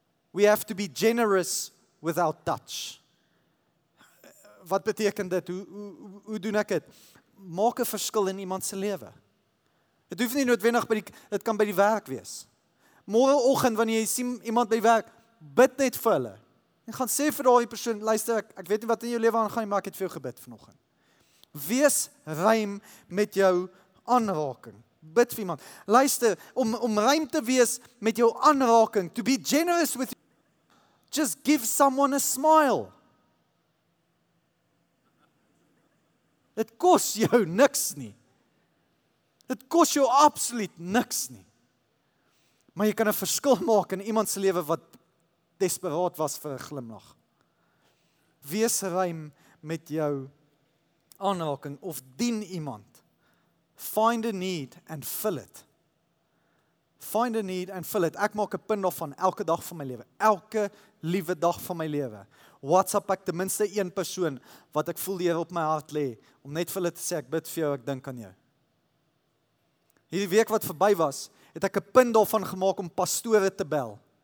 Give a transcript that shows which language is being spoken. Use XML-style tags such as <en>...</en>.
<en>We have to be generous without touch.</en> <af>Wat beteken dit? Hoe doen ek dit? Maak 'n verskil in iemand se lewe. Dit hoef nie noodwendig by die, dit kan by die werk wees. Môreoggend wanneer jy sien iemand by die werk, bid net vir hulle. En gaan sê vir daai persoon, luister ek weet nie wat in jou lewe aangaan nie, maar ek het vir jou gebid vanoggend. Wees ruim met jou aanraking. Bid vir iemand. Luister, om ruim te wees met jou aanraking,</af> <en>to be generous with you, just give someone a smile.</en> <af>Het kos jou niks nie. Het kos jou absoluut niks nie. Maar jy kan 'n verskil maak in iemand se lewe wat desperaat was vir 'n glimlag. Wees ruim met jou aanraking of dien iemand.</af> <en>Find a need and fill it. Find a need and fill it.</en> <af>Ek maak 'n punt daarvan elke dag van my lewe. Elke liewe dag van my lewe. WhatsApp ek ten minste een persoon wat ek voel die Here op my hart lê om net vir hulle te sê ek bid vir jou, ek dink aan jou. Hierdie week wat verby was, het ek 'n punt daarvan gemaak om pastore te bel.</af>